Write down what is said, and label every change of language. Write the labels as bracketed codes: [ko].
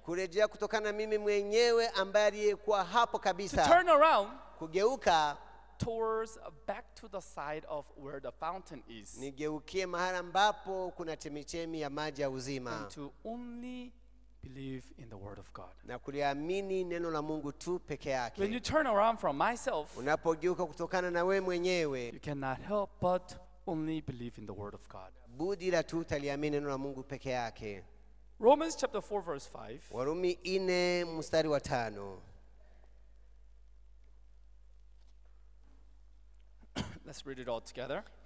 [sw] Kurejea kutokana mimi mwenyewe ambaye aliyekuwa hapo kabisa. [en] To turn around. [sw] Kugeuka. [en] Towards back to the side of where the fountain is. [sw] Nigeukie mahali ambapo kuna chemichemi ya maji ya uzima. [en] And to only believe in the word of God. [sw] Na kuliamini neno la Mungu tu peke yake. [en] When you turn around from myself. [sw] Unapogeuka kutokana na wewe mwenyewe. [en] You cannot help but only believe in the word of God. [sw] Budi la tu taliamini neno la Mungu peke yake. [en] Romans chapter 4 verse 5. [sw] Warumi 4 mstari wa 5. [en] Let's read it all together.